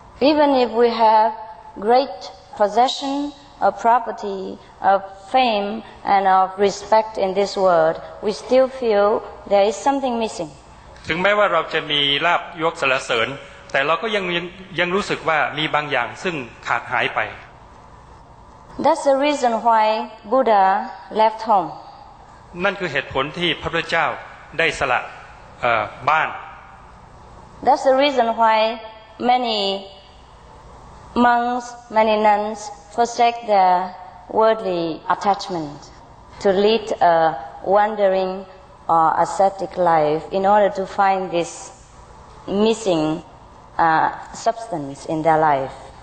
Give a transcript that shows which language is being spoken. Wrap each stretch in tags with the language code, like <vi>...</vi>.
<en>Even if we have great possession of property, of fame, and of respect in this world, we still feel there is something missing.</en> <th>ถึงแม้ว่าเราจะมีลาภยศสรรเสริญแต่เราก็ยังรู้สึกว่ามีบางอย่างซึ่งขาดหายไป</th> <en>That's the reason why Buddha left home.</en> <th>นั่นคือเหตุผลที่พระพุทธเจ้าได้สละบ้าน</th> <en>That's the reason why many monks, many nuns forsake their worldly attachment to lead a wandering or ascetic life in order to find this missing substance in their life.</en>